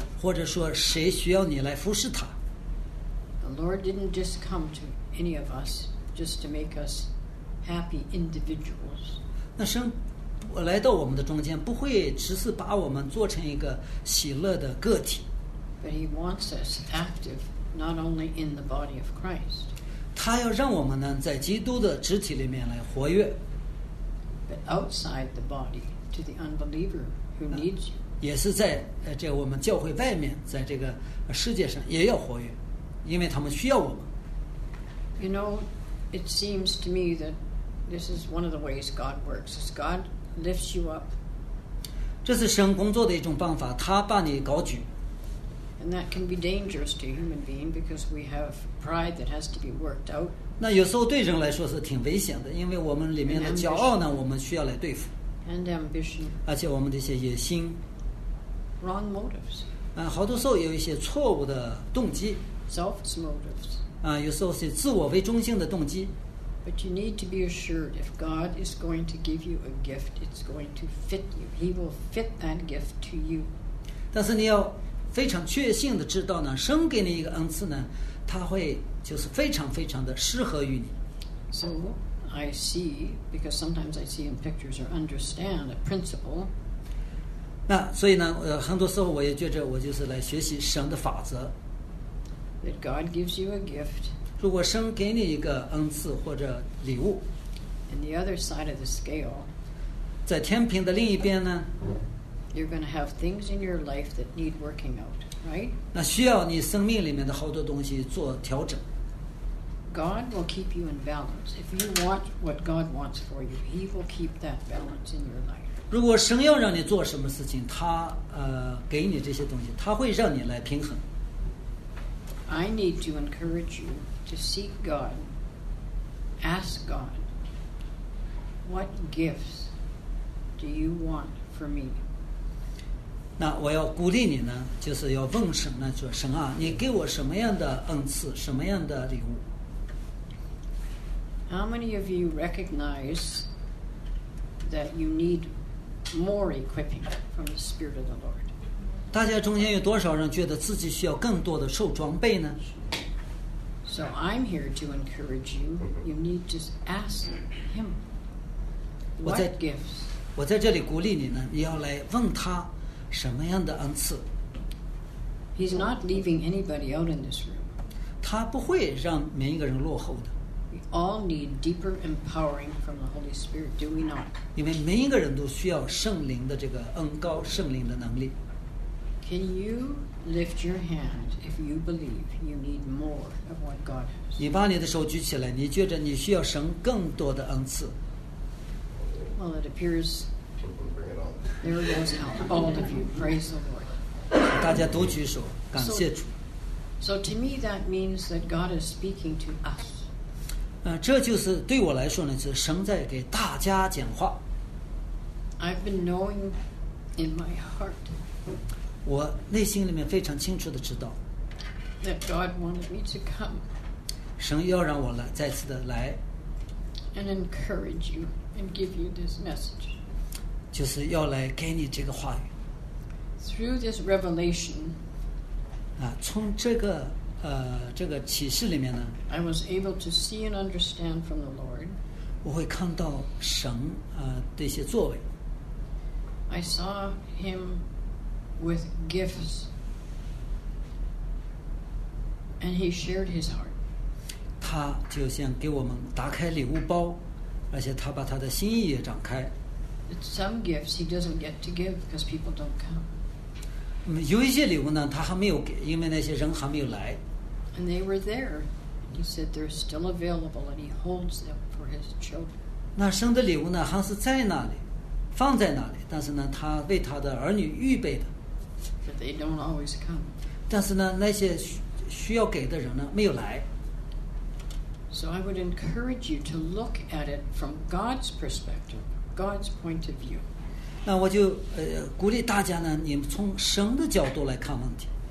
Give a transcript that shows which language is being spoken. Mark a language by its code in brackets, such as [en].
[zh] 或者说谁需要你来服侍他 [en] ？The Lord didn't just come to any of us just to make us happy individuals。 [zh] 那神来到我们的中间，不会只是把我们做成一个喜乐的个体。 [en] But he wants us active, not only in the body of Christ。 [zh] 他要让我们呢，在基督的肢体里面来活跃。 [en] But outside the body to the unbeliever who needs you. [zh] 也是在这我们教会外面，在这个世界上也要活跃，因为他们需要我们。 [en] You know, it seems to me that this is one of the ways God works. Is God lifts you up. [zh] 这是神工作的一种办法，他把你高举。 [en] And that can be dangerous to a human being because we have pride that has to be worked out. [zh] 那有时候对人来说是挺危险的，因为我们里面的骄傲呢，我们需要来对付。 [en] And ambition. [zh] 而且我们的一些野心。 [en] Wrong motives. [zh] 好多时候有一些错误的动机。 [en] Selfish motives. [zh] 有时候是自我为中心的动机。 [en] But you need to be assured if God is going to give you a gift, it's going to fit you. He will fit that gift to you. [zh] 但是你要非常确信的知道呢，神给你一个恩赐呢，他会就是非常非常的适合于你。 [en] So I see, because sometimes I see in pictures or understand a principle. [zh] 那所以呢，很多时候我也觉着我就是来学习神的法则。 [en] That God gives you a gift. [zh] 如果神给你一个恩赐或者礼物。 [en] And the other side of the scale. [zh] 在天平的另一边呢。 [en] You're going to have things in your life that need working out, right? [zh] 那需要你生命里面的好多东西做调整。 [en] God will keep you in balance. If you want what God wants for you, He will keep that balance in your life. [zh] 如果神要让你做什么事情，他给你这些东西，他会让你来平衡。 [en] I need to encourage you to seek God. Ask God, what gifts do you want for me? [zh] 那我要鼓励你呢，就是要问神呢，说神啊，你给我什么样的恩赐，什么样的礼物 [en] ？How many of you recognize that you need more equipping from the Spirit of the Lord？ [zh] 大家中间有多少人觉得自己需要更多的受装备呢 [en] ？So I'm here to encourage you. You need to ask Him what gifts. [zh] 我在这里鼓励你呢，你要来问他。什么样的恩赐 [en] ？He's not leaving anybody out in this room. [zh] 他不会让每一个人落后的。 [en] We all need deeper empowering from the Holy Spirit, do we not? [zh] 因为每一个人都需要圣灵的这个恩膏，圣灵的能力。 [en] Can you lift your hand if you believe you need more of what God has? [zh] 你把你的手举起来，你觉着你需要神更多的恩赐。 [en] Well, it appears. There goes all of you. Praise the Lord. [zh] 大家都举手，感谢主。 [en] So to me, that means that God is speaking to us. [zh] 这就是对我来说呢，是神在给大家讲话。 [en] I've been knowing in my heart. [zh] 我内心里面非常清楚的知道。 [en] That God wanted me to come. [zh] 神要让我来再次的来。 [en] And encourage you and give you this message. [zh] 就是要来给你这个话语。 [en] Through this revelation, [zh] 从这个启示里面呢 [en] ，I was able to see and understand from the Lord. [zh] 我会看到神的一些作为。 [en] I saw Him with gifts, and He shared His heart. [zh] 他就像给我们打开礼物包，而且他把他的心意也展开。 [en] Some gifts he doesn't get to give because people don't come. [zh] 有一些礼物呢，他还没有给，因为那些人还没有来。 [en] And they were there. And he said they're still available, and he holds them for his children. [zh] 那神的礼物呢，还是在那里，放在那里，但是呢，他为他的儿女预备的。 [en] But they don't always come. [zh] 但是呢，那些需要给的人呢，没有来。 [en] So I would encourage you to look at it from God's perspective. God's point of view. [zh] 那我就鼓励大家呢，你们从神的角度来看问题。